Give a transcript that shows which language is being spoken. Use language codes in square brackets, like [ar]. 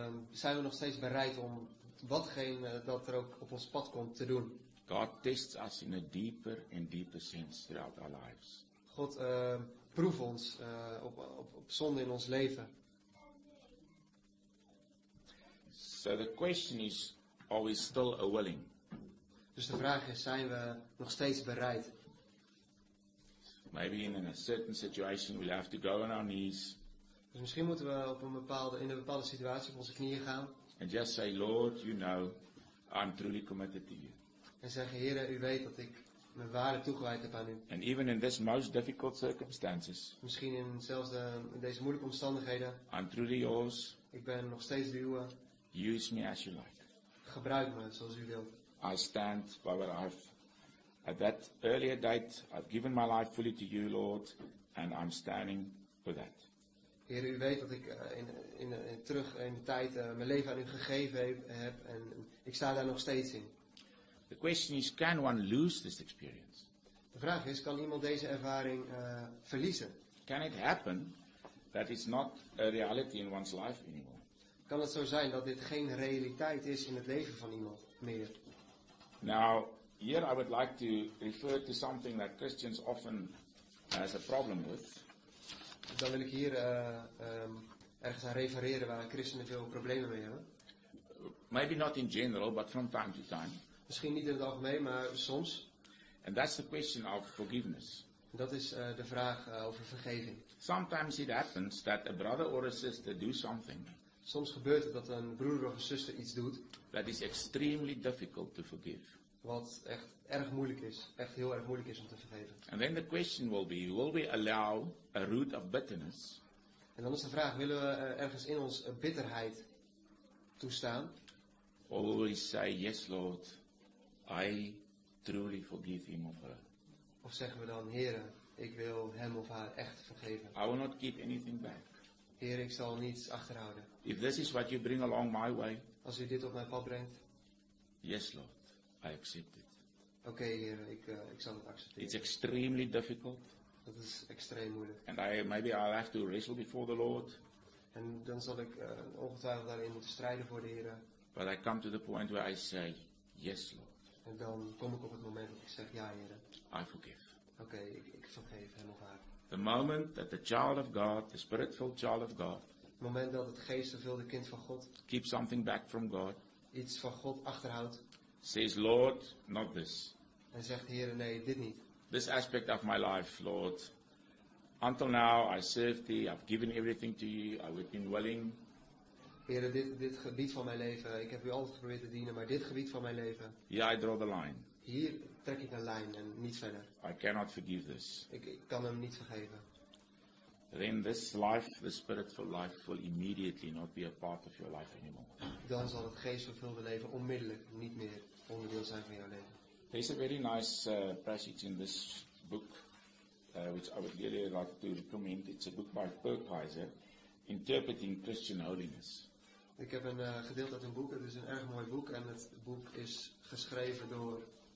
[nl] Zijn we nog steeds bereid om watgeen dat er ook op ons pad komt te doen. [en] God tests us in a deeper and deeper sense throughout our lives. [nl] God proef ons op zonde in ons leven. [en] So the question is, are we still a willing? [nl] Dus de vraag is, zijn we nog steeds bereid? [en] Maybe in a certain situation we'll have to go on our knees. [nl] Dus misschien moeten we in een bepaalde situatie op onze knieën gaan. [en] And just say, Lord, you know, I'm truly committed to you. [nl] En zeggen, Heere, u weet dat ik mijn ware toegewijd heb aan u. [en] And even in this most difficult circumstances. [nl] Misschien in zelfs in deze moeilijke omstandigheden. [en] I'm truly yours. [nl] Ik ben nog steeds de uwe. [en] Use me as you like. [nl] Gebruik me zoals u wilt. [en] I stand by what I've, at that earlier date, I've given my life fully to you, Lord, and I'm standing for that. [nl] Heer, u weet dat ik terug in de tijd mijn leven aan u gegeven heb en ik sta daar nog steeds in. [en] The question is, can one lose this experience? [nl] De vraag is, kan iemand deze ervaring verliezen? [en] Can it happen that it's not a reality in one's life anymore? [nl] Kan het zo zijn dat dit geen realiteit is in het leven van iemand meer? [en] Now, here I would like to refer to something that Christians often has a problem with. [nl] Dan wil ik hier ergens aan refereren waar christenen veel problemen mee hebben. [en] Maybe not in general, but from time to time. [nl] Misschien niet in het algemeen, maar soms. [en] And that's the question of forgiveness. [nl] Dat is de vraag over vergeving. [en] Sometimes it happens that a brother or a sister do something. [nl] Soms gebeurt het dat een broer of een zuster iets doet. [en] That is extremely difficult to forgive. [nl] Wat echt erg moeilijk is, echt heel erg moeilijk is om te vergeven. [en] And then the question will be, will we allow a root of bitterness? [nl] En dan is de vraag, willen we ergens in ons bitterheid toestaan? [en] Or will we say, yes Lord, I truly forgive him or her? [nl] Of zeggen we dan, Heere, ik wil hem of haar echt vergeven. [en] I will not keep anything back. [nl] Heer, ik zal niets achterhouden. [en] If this is what you bring along my way. [nl] Als u dit op mijn pad brengt. [en] Yes Lord. I accept it. [nl] Okay, Heer, ik zal het accepteren. [en] It's extremely difficult. [nl] Dat is extreem moeilijk. [en] And maybe I'll have to wrestle before the Lord. [nl] En dan zal ik ongetwijfeld daarin moeten strijden voor de Heer. [en] But I come to the point where I say, yes, Lord. [nl] En dan kom ik op het moment dat ik zeg, ja, Heer. [en] I forgive. [nl] Okay, ik vergeef hem of haar. [en] The moment that the child of God, the spirit-filled child of God, [nl] het moment dat het geestvervulde kind van God, [en] keeps something back from God, [nl] iets van God achterhoudt, [en] says, Lord, not this. [nl] En zegt, Heere, nee, dit niet. [en] This aspect of my life, Lord. Until now, I served thee, I've given everything to you, I would be willing. [nl] Heere, dit gebied van mijn leven, ik heb u altijd geprobeerd te dienen, maar dit gebied van mijn leven. [en] Here I draw the line. [nl] Hier trek ik een lijn en niet verder. [en] I cannot forgive this. [nl] Ik kan hem niet vergeven. [en] Then this life, the spiritual life, will immediately not be a part of your life anymore. [nl] Dan zal het geestvervulde leven onmiddellijk niet meer onderdeel zijn van jouw leven. [en] There's a very nice passage in this book, which I would really like to recommend. It's a book by Perkheiser, Interpreting Christian Holiness. [nl] Ik heb een gedeelte uit een boek. Het is een erg mooi boek. En het boek is geschreven door...